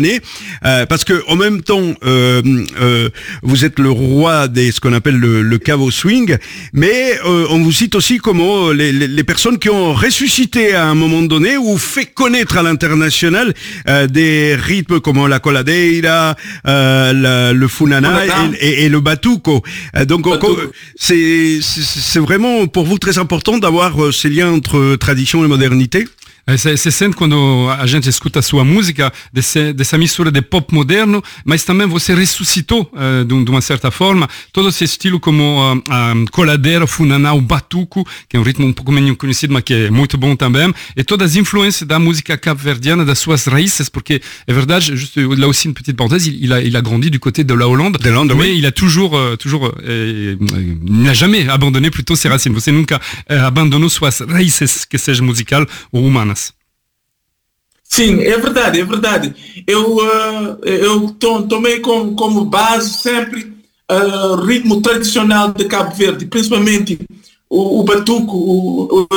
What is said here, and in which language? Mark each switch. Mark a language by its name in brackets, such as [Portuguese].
[French] années, parce que en même temps, vous êtes le roi de ce qu'on appelle le Cavo Swing, mais on vous cite aussi comme les personnes qui ont ressuscité à un moment donné ou fait connaître à l'international des rythmes comme la coladeira, le funana et le batuco. Donc batuco. C'est vraiment pour vous très important d'avoir ces liens entre tradition et modernité. C'est simple [Portuguese] quando a gente escuta sua musica, dessa mistura de pop moderno, mas também você ressuscitou de uma certa forma todo esse estilo como a coladeira, o funaná, o batuco, que é um ritmo um pouco menos conhecido, mas que é muito bom também, e todas as influências da música cap-verdiana, das suas raízes, porque é verdade, [French] juste, là aussi une petite parenthèse, il a grandi du côté de la Hollande, de l'Inde, mais oui. Il a toujours n'a jamais abandonné plutôt ses racines. [Portuguese] Você nunca abandonou suas raízes, que seja musical ou uma. Sim, é verdade, é verdade. Eu tomei como base sempre o ritmo tradicional de Cabo Verde, principalmente o batuco.